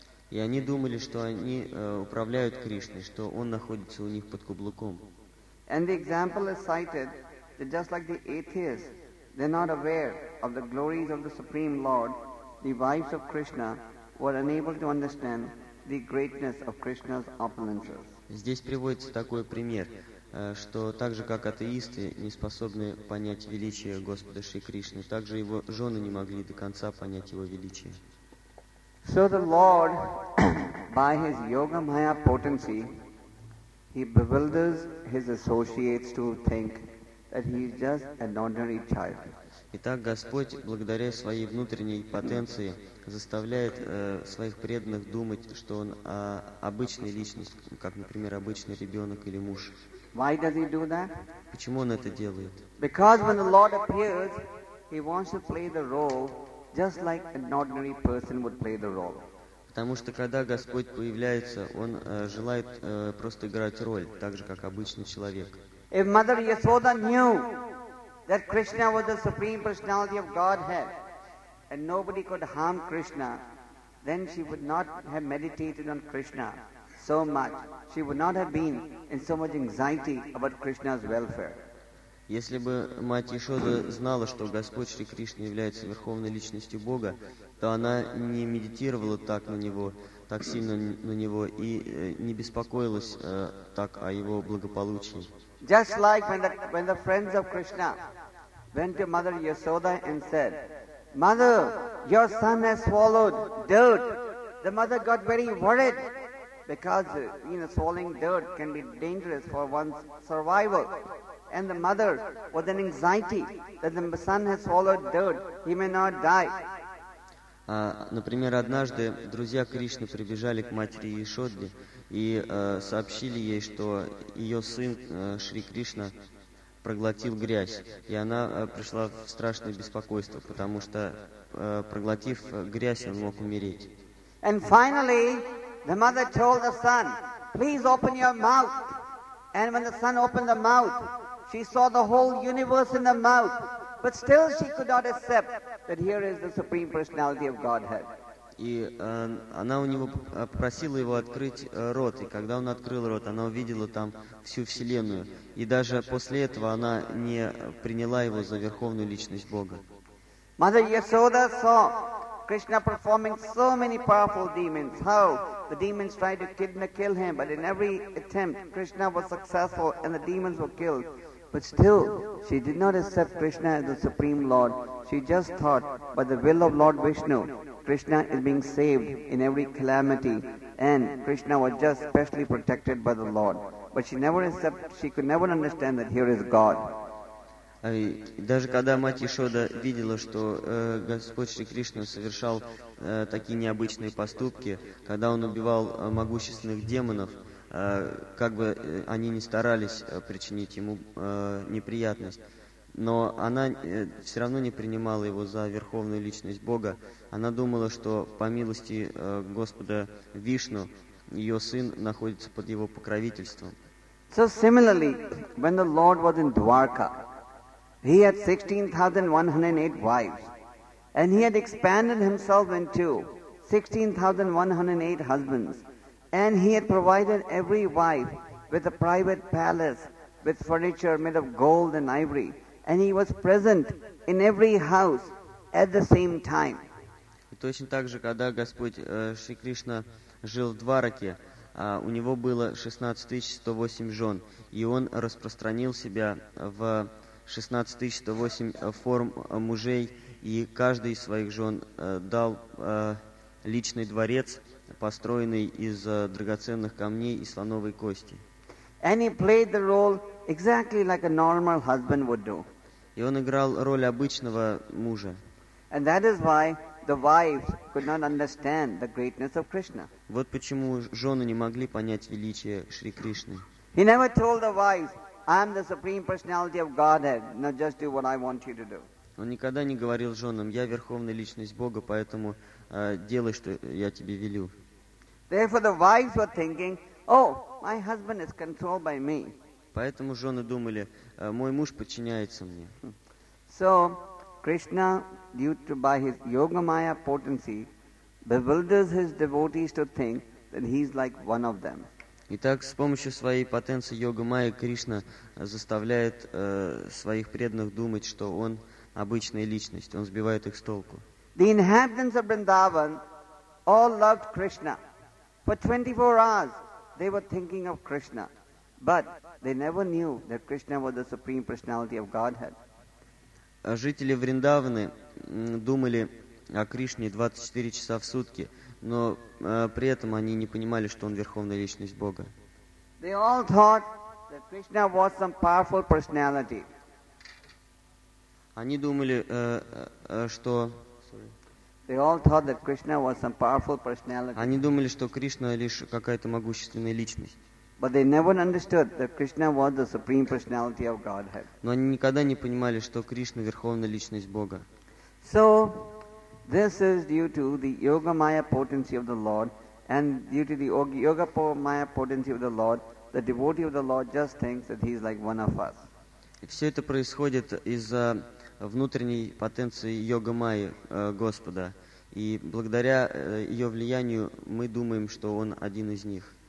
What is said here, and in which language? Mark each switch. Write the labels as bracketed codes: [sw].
[ru] И они думали, что они управляют Кришной, что Он находится у них под каблуком. [en] And the example is cited. They're just like the atheists. They're not aware of the glories of the Supreme Lord. The wives of Krishna were unable to understand the greatness of Krishna's opulences. [ru] Здесь приводится такой пример, что так же, как атеисты не способны понять величие Господа Шри Кришны, так же Его жены не могли до конца понять Его величие. [en] So the Lord By his yoga maya potency, he bewilders his associates to think that he is just an ordinary child. [ru] Итак, Господь, благодаря своей внутренней потенции, заставляет своих преданных думать, что он обычная личность, как, например, обычный ребенок или муж. [en] Why does he do that? [ru] Почему он это делает? [en] Because when the Lord appears, he wants to play the role just like an ordinary person would play the role. [ru] Потому что когда Господь появляется, он желает просто играть роль, так же как обычный человек. [en] If Mother Yasoda knew that Krishna was the supreme personality of Godhead and nobody could harm Krishna, then she would not have meditated on Krishna so much. She would not have been in so much anxiety about Krishna's welfare. [ru] Если бы мать Яшода знала, что Господь Шри Кришна является верховной личностью Бога, то она не медитировала так на него, так сильно на него и не беспокоилась так о его благополучии. [en] Just like when the friends of Krishna went to Mother Yasoda and said, Mother, your son has swallowed dirt. The mother got very worried because, you know, swallowing dirt can be dangerous for one's survival. And the mother was in anxiety that the son has swallowed dirt. He may not die. [ru] Например, однажды друзья Кришны прибежали к матери Яшоде и сообщили ей, что ее сын Шри Кришна проглотил грязь. И она пришла в страшное беспокойство, потому что, проглотив грязь, он мог умереть. [en] And finally, the mother told the son, please open your mouth. And when the son opened the mouth, she saw the whole universe in the mouth. But still she could not accept that here is the Supreme Personality of Godhead. [ru] И она у него попросила его открыть рот, и когда он открыл рот, она увидела там всю Вселенную. И даже после этого она не приняла его за Верховную Личность Бога. [en] Mother Yasoda saw Krishna performing so many powerful demons, how the demons tried to kill him, but in every attempt Krishna was successful and the demons were killed. But still, she did not accept Krishna as the Supreme Lord. She just thought, by the will of Lord Vishnu, Krishna is being saved in every calamity, and Krishna was just specially protected by the Lord. But she could never understand that here is God. [ru] Даже когда мать Яшода видела, что Господь Шри Кришна совершал такие необычные поступки, когда он убивал могущественных демонов, как бы они ни старались причинить ему неприятность. Но она все равно не принимала его за Верховную Личность Бога. Она думала, что по милости Господа Вишну ее сын находится под его покровительством. [en] So similarly, when the Lord was in Dwarka, he had 16,108 wives, and he had expanded himself into 16,108 husbands. And he had provided every wife with a private palace with furniture made of gold and ivory. And he was present in every house at the same time. [ru] И точно так же, когда Господь Шри Кришна жил в Двараке, у него было 16108 жен. И он распространил себя в 16108 форм мужей. И каждый из своих жен дал личный дворец, построенный из драгоценных камней и слоновой кости. [en] And he played the role exactly like a normal husband would do. [ru] И он играл роль обычного мужа. [en] And that is why the wives could not understand the greatness of Krishna. [ru] Вот почему жены не могли понять величие Шри Кришны. [en] He never told the wives, "I am the supreme personality of Godhead. Now just do what I want you to do." [ru] Он никогда не говорил женам, я верховная личность Бога, поэтому делай, что я тебе велю. [en] Therefore the wives were thinking, oh, my husband is controlled by me. [ru] Поэтому жены думали, мой муж подчиняется мне. [en] So Krishna, by his yoga maya potency, bewilders his devotees to think that he's like one of them. [ru] Итак, с помощью своей потенции йога майя Кришна заставляет своих преданных думать, что он обычная личность, он сбивает их с толку. [en] The inhabitants of Vrindavan all loved Krishna. For 24 hours, they were thinking of Krishna. But they never knew that Krishna was the Supreme Personality of Godhead. [ru] Жители Вриндаваны думали о Кришне 24 часа в сутки, Но при этом они не понимали, что он верховная личность Бога. [en] They all thought that Krishna was some powerful personality. [ru] Они думали, что [en] They all thought that Krishna was some powerful personality. [ru] Они думали, что Кришна лишь какая-то могущественная личность. [en] But they never understood that Krishna was the supreme personality of Godhead. [ru] Но они никогда не понимали, что Кришна верховная личность Бога. [en] So this is due to the yoga maya potency of the Lord, and due to the yoga maya potency of the Lord, the devotee of the Lord just thinks that he is like one of us. [ru] Все это происходит из-за внутренней потенции йога майи Господа, и благодаря ее влиянию мы думаем, что он один из них.